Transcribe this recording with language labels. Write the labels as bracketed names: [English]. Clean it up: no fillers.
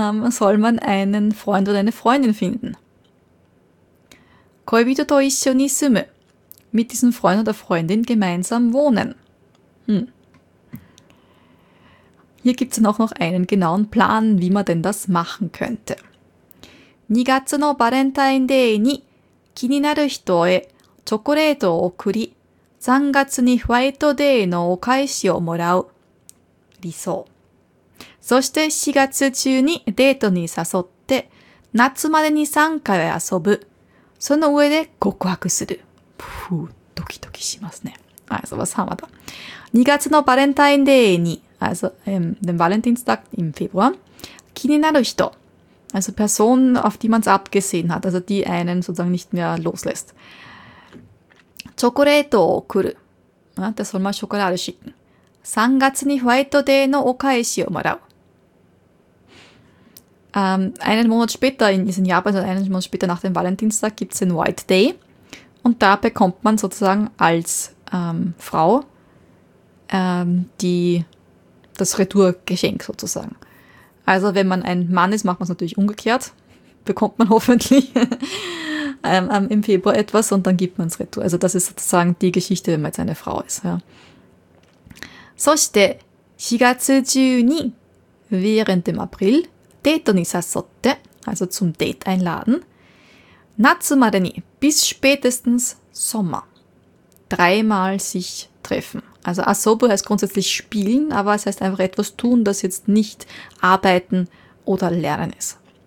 [German] Soll man einen Freund oder eine Freundin finden. [Japanese] 恋人と一緒に住む。 [German] Mit diesem Freund oder Freundin gemeinsam wohnen. Hier gibt es dann auch noch einen genauen Plan, wie man denn das machen könnte. [Japanese] 2月のバレンタインデーに気になる人へチョコレートを送り、3月にホワイトデーのお返しをもらう。理想。そして4月中にデートに誘って、夏までに3回遊ぶ。その上で告白する。ふぅ、ドキドキしますね。 [German] Also, was haben wir da? [Japanese] 2月のバレンタインデーに、 [German] also, den Valentinstag im Februar, [Japanese] 気になる人、 [German] also Person, auf die man es abgesehen hat, also die einen sozusagen nicht mehr loslässt. [Japanese] チョコレートを送る。で、そのままチョコレートを送る。3月にホワイトデーのお返しをもらう。 [German] Einen Monat später, ist in Japan, also einen Monat später nach dem Valentinstag, gibt es den White Day. Und da bekommt man sozusagen als Frau das Retourgeschenk sozusagen. Also wenn man ein Mann ist, macht man es natürlich umgekehrt. Bekommt man hoffentlich im Februar etwas und dann gibt man es retour. Also das ist sozusagen die Geschichte, wenn man jetzt eine Frau ist. Ja. [Japanese] そして4月中に [German] während dem April [Japanese] デートに誘って [German] also zum Date einladen [Japanese] 夏までに [German] bis spätestens Sommer dreimal sich treffen. Also asobu heißt grundsätzlich spielen, aber es heißt einfach etwas tun, das jetzt nicht arbeiten oder lernen ist.